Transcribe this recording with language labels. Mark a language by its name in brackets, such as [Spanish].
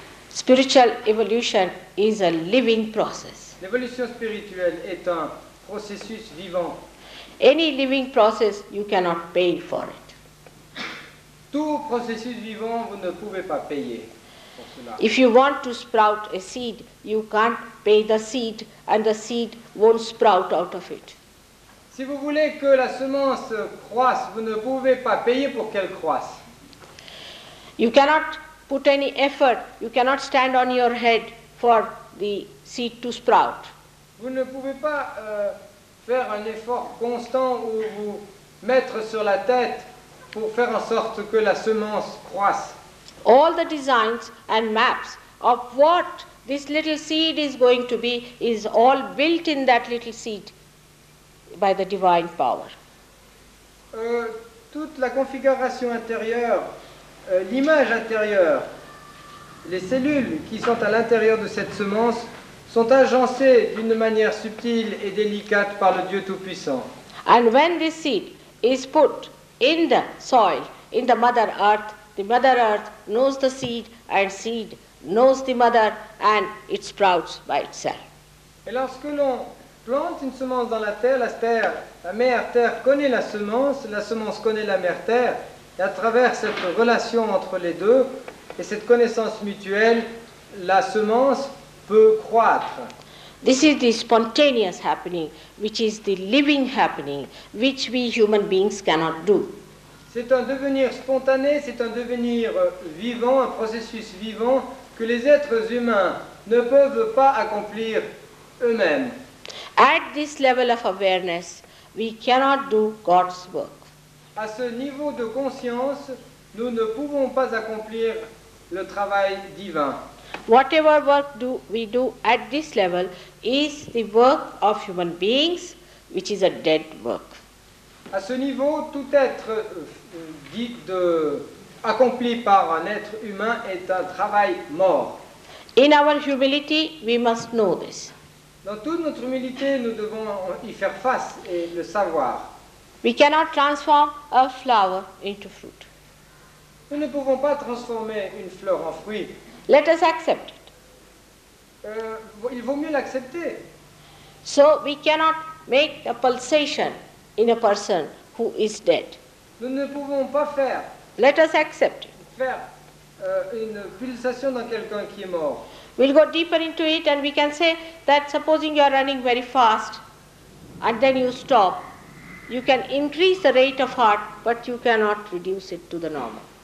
[English] Spiritual evolution is a living process. [French] L'évolution spirituelle est un processus vivant. [English] Any living process, you cannot pay for it. [French] Tout processus vivant, vous ne pouvez pas payer. [English] If you want to sprout a seed, you can't pay the seed and the seed won't sprout out of it. [French] Si vous voulez que la semence croisse, vous ne pouvez pas payer pour qu'elle croisse. [English] You cannot put any effort, you cannot stand on your head for the seed to sprout. [French] Vous ne pouvez pas faire un effort constant ou vous mettre sur la tête pour faire en sorte que la semence croisse. [English] All the designs and maps of what this little seed is going to be is all built in that little seed by the divine power. [French] Toute la configuration intérieure, l'image intérieure, les cellules qui sont à l'intérieur de cette semence sont agencées d'une manière subtile et délicate par le Dieu Tout-Puissant. [English] And when this seed is put in the soil, in the mother earth knows the seed and seed knows the mother and it sprouts by itself. [French] Et lorsque l'on plante une semence dans la terre, la mère terre connaît la semence connaît la mère terre, et à travers cette relation entre les deux et cette connaissance mutuelle, la semence peut croître. [English] This is the spontaneous happening, which is the living happening, which we human beings cannot do. [French] C'est un devenir spontané, c'est un devenir vivant, un processus vivant que les êtres humains ne peuvent pas accomplir eux-mêmes. [English] At this level of awareness, we cannot do God's work. [French] À ce niveau de conscience, nous ne pouvons pas accomplir le travail divin. [English] Whatever work we do at this level is the work of human beings, which is a dead work. [French] À ce niveau, tout être dit de accompli par un être humain est un travail mort. [English] In our humility, we must know this. [French] Dans toute notre humilité, nous devons y faire face et le savoir. [English] We cannot transform a flower into fruit. [French] Nous ne pouvons pas transformer une fleur en fruit. [English] Let us accept it. [French] Il vaut mieux l'accepter. [English] So we cannot make a pulsation in a person who is dead. [French] Nous ne pouvons pas faire. [English] Let us accept it. [French] Faire une pulsation dans quelqu'un qui est mort. [English] We'll go deeper into it and we can say that supposing you are running very fast and then you stop, you can increase the rate of heart but you cannot reduce it to the normal.